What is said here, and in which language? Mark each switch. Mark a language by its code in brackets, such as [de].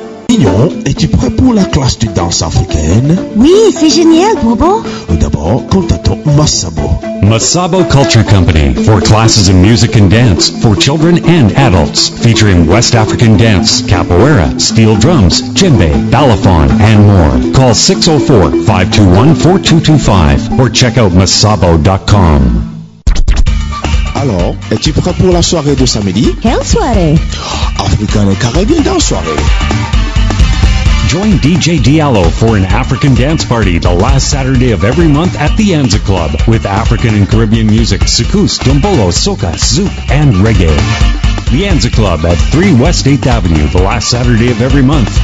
[fr] Mignon, es-tu prêt pour la classe de danse africaine? Oui, c'est génial, Bobo. D'abord, contactons Masabo. [en] Masabo Culture Company, for classes in music and dance for children and adults, featuring West African dance, capoeira, steel drums, djembe, balafon, and more. Call 604-521-4225 or check out masabo.com. [fr] Alors, es-tu prêt pour la soirée de samedi? Quelle soirée? [en] African et Caribbean dance soirée. Join DJ Diallo for an African dance party the last Saturday of every month at the Anza Club with African and Caribbean music, soukous, dombolo, soca, zouk, and reggae. The Anza Club at 3 West 8th Avenue the last Saturday of every month.